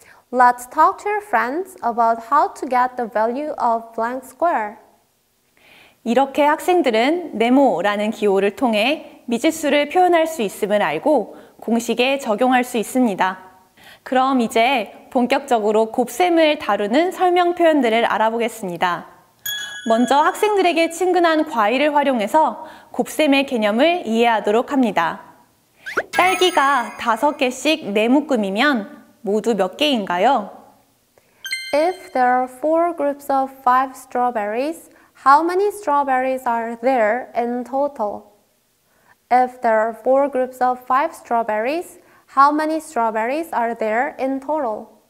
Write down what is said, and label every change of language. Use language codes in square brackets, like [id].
[en] Let's talk to your friends about how to get the value of blank square. [ko] 이렇게 학생들은 네모라는 기호를 통해 미지수를 표현할 수 있음을 알고 공식에 적용할 수 있습니다. 그럼 이제 본격적으로 곱셈을 다루는 설명 표현들을 알아보겠습니다. 먼저 학생들에게 친근한 과일을 활용해서 곱셈의 개념을 이해하도록 합니다. 딸기가 5개씩 네 묶음이면 모두 몇 개인가요? [en] If there are 4 groups of 5 strawberries, how many strawberries are there in total? If there are 4 groups of 5 strawberries, how many strawberries are there in total?